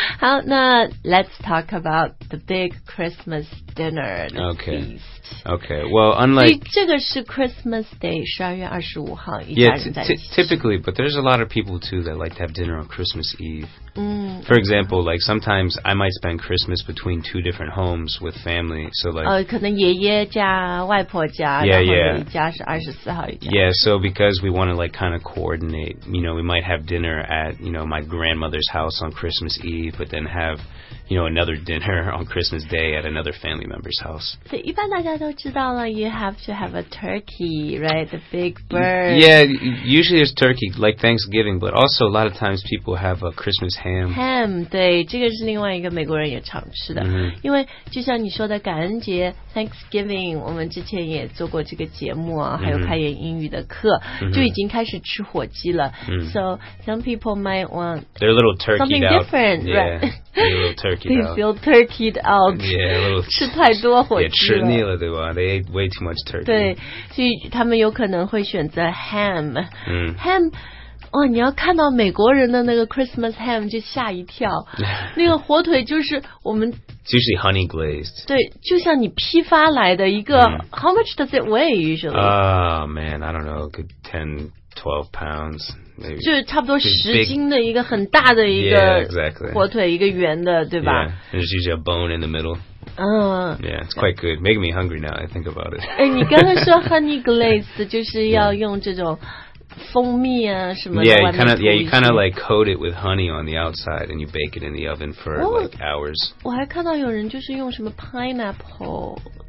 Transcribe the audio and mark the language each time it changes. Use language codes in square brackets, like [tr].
[zh] 好，那 [en] let's talk about the big Christmas dinner. Okay. Okay. Well, unlike [zh] 这个是 [en] Christmas Day, [zh] 12月25号，一家人在一起。 [en] Yeah, typically, but there's a lot of people too that like to have dinner on Christmas Eve. For example, like sometimes I might spend Christmas between two different homes with family. So like, [zh] 可能爷爷家、外婆家， [en] yeah, [zh] 然后有一家是24号一家。 [en] Yeah, so because we want to like kind of coordinate, you know, we might have dinner at, you know, my grandmother's house on Christmas Eve, but then have, you know, another dinner on Christmas Day at another family member's house. [zh] 对，一般大家都知道了 [en] you have to have a turkey, right? The big bird. Yeah, usually it's turkey, like Thanksgiving, but also a lot of times people have a Christmas ham. [zh] Ham, 对，这个是另外一个美国人也常吃的。 Mm-hmm. 因为就像你说的感恩节 Thanksgiving, 我们之前也做过这个节目啊，还有开言英语的课、 mm-hmm. 就已经开始吃火鸡了、 mm-hmm. [en] So some people might want They're a little turkeyed something out. Different, yeah. right? They feel turkeyed out. Yeah, [zh] 吃太多火鸡了。也吃腻了，对吧？ [en] They ate way too much turkey. [zh] 对，所以他们有可能会选择 ham. Ham, 哇，你要看到美国人的那个 Christmas ham 就吓一跳。那个火腿就是我们 [en] It's usually honey glazed. [zh] 对，就像你批发来的一个 [en] How much does it weigh usually? Oh man, I don't know, good 10, 12 pounds. [zh] 就是差不多十斤的一个很大的一个火腿 [en] yeah,、exactly. [zh] 一个圆的对吧 [en] yeah, there's usually a bone in the middle yeah it's quite good making me hungry now I think about it [zh] 哎，你刚才说 [en] honey glazed [zh] 就是要用这种蜂蜜啊什么的 [en] yeah, you kind of like coat it with honey on the outside and you bake it in the oven for like hours [zh] 我还看到有人就是用什么 pineapple